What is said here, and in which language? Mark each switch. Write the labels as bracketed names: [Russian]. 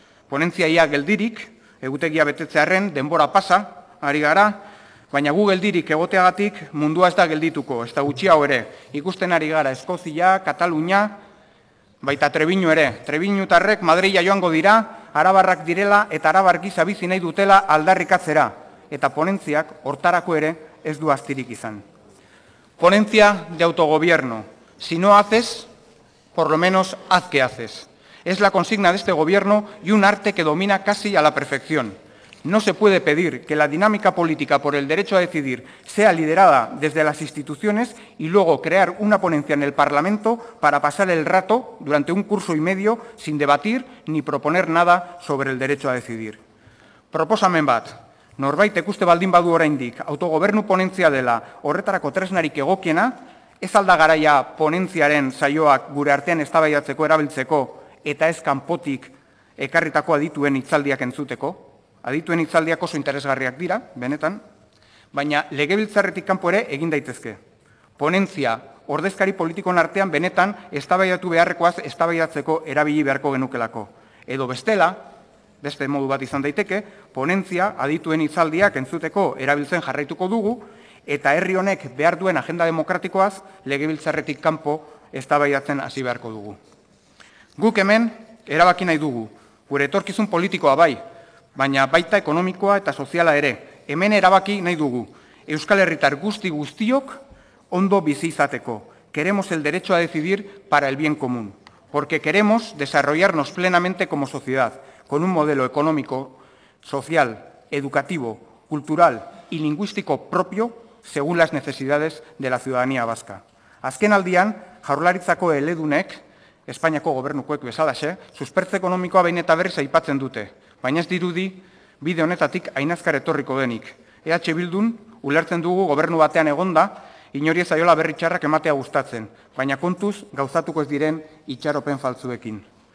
[Basque] Ponentzia ia geldirik, egutegia betetzearen, denbora pasa, ari gara, baina gu geldirik egoteagatik mundua ez da geldituko, ez da gutxiago ere. Ikusten ari gara Eskozia, Katalunia, baita Trebiñu ere. Trebiñutarrek Madrila joango dira, arabarrak direla eta arabar gisa bizi nahi dutela aldarrikatzera. Eta ponentziak hortarako ere ez du astirik izan. [Spanish] Ponentzia de autogobierno. Si no haces, por lo menos haz que haces. Es la consigna de este gobierno y un arte que domina casi a la perfección. No se puede pedir que la dinámica política por el derecho a decidir sea liderada desde las instituciones y luego crear una ponencia en el Parlamento para pasar el rato durante un curso y medio sin debatir ni proponer nada sobre el derecho a decidir. [Basque] Proposamen bat. Norbaitek uste baldin badu oraindik autogobernu ponentzia dela horretarako tresnarik egokiena, ez alda garaia ponentziaren saioak gure artean eztabaidatzeko erabiltzeko eta ez kanpotik ekarritako adituen hitzaldiak entzuteko. Adituen hitzaldiak oso interesgarriak dira, benetan, baina legebiltzarretik kanpo ere egin daitezke. Ponentzia ordezkari politikoen artean benetan eztabaidatu beharrekoaz eztabaidatzeko erabili beharko genukelako. Edo bestela, beste modu bat izan daiteke, ponentzia adituen hitzaldiak entzuteko erabiltzen jarraituko dugu eta herri honek behar duen agenda demokratikoaz legebiltzarretik kanpo eztabaidatzen hasi beharko dugu. Guk hemen erabaki nahi dugu, gure etorkizun politikoa bai, baina baita ekonomikoa eta soziala ere. Hemen erabaki nahi dugu, euskal herritar guzti guztiok ondo bizi izateko. [Spanish] Queremos el derecho a decidir para el bien común, porque queremos desarrollarnos plenamente como sociedad, con un modelo económico, social, educativo, cultural y lingüístico propio según las necesidades de la ciudadanía vasca. [Basque] Azken aldian, jaurlaritzako eledunek, Espainiako gobernukoek bezalaxe, suspertze ekonomikoa behin eta berriz aipatzen dute, baina ez dirudi bide honetatik ainazkar etorriko denik. EH Bildun, ulertzen dugu gobernu batean egonda, inori ez aiola berri txarrak ematea gustatzen, baina kontuz gauzatuko ez diren itxaropen faltzuekin.